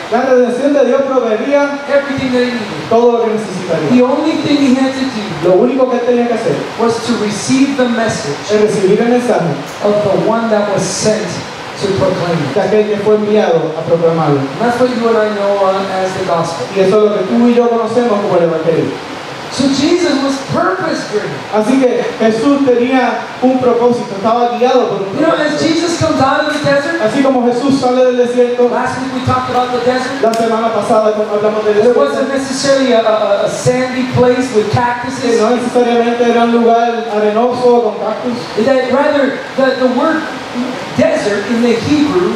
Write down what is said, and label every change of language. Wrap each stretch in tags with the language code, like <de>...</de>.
<es>La redención de Dios proveería.</es> <en>Everything they need.</en> <es>Todo lo que necesitaría.</es> <en>The only thing he had to do.</en> <es>Lo único que tenía que hacer.</es> <en>Was to receive the message.</en> <es>Es recibir el mensaje.</es> <en>Of the one that was sent to proclaim.</en> <es>De aquel que fue enviado a proclamarlo.</es> <en>That's what you and I know as the gospel.</en> <es>Y eso es lo que tú y yo conocemos como el evangelio.</es> <en>So Jesus was purpose-driven.</en> <es>Así que Jesús tenía un propósito, estaba guiado por un propósito.</es> <en>You know, as Jesus comes out of the desert,</en> <es>así como Jesús sale del desierto,</es> <en>last week we talked about the desert,</en> <es>la semana pasada cuando hablamos del desierto,</es> <en>it wasn't necessarily a sandy place with cactuses.</en> <es>No necesariamente era un lugar arenoso con cactus.</es> <en>That rather, the word desert in the Hebrew,</en>